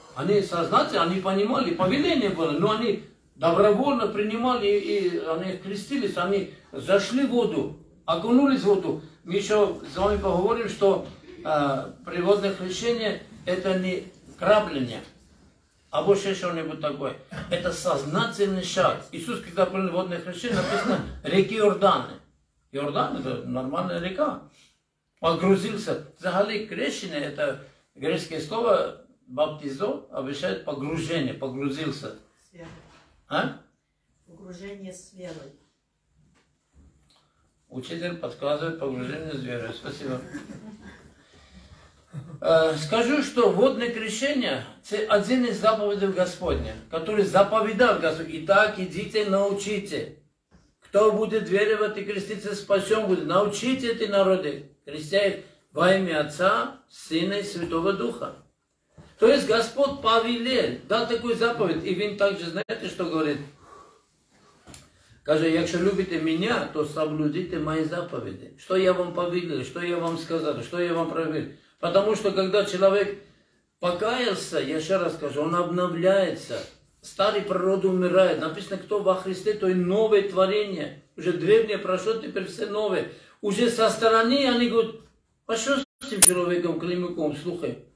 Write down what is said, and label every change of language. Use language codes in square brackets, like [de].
[ru] Они сознательно, они понимали, повеление было, но они... Добровольно принимали, и они крестились, они зашли в воду, окунулись в воду. Мы еще с вами поговорим, что приводное крещение – это не крабление, а больше что-нибудь такое. Это сознательный шаг. Иисус, когда принял водное крещение, написано «реки Иорданы». [uk] Йордан – це нормальна ріка. А грузився. Взагалі крещення – це грецьке слово «баптизо» означає погруження, погрузився. А? Погруження з вірою. Учитель підказує погруження з вірою. Спасибо. Скажу, що водне крещення – це один із заповідей Господня, який заповідав Господь. І так, ідіть, навчіться. Хто буде вірувати і креститься, спасен буде. Навчіть ці народи, хрестяй во ім'я Отця, Сина і Святого Духа. Тобто Господь повелів, дав таку заповідь, і він також, знаєте, що говорить? Каже, якщо любите мене, то соблюдіть мої заповіді. Що я вам повелів, що я вам сказав, що я вам провів? [ru] Потому что когда человек покаялся, я еще раз скажу, он обновляется. Старый природа умирает. Написано, кто во Христе, то и новое творение. Уже древнее прошло, теперь все новое. Уже со стороны они говорят, а что с этим человеком, Климуком, слухай?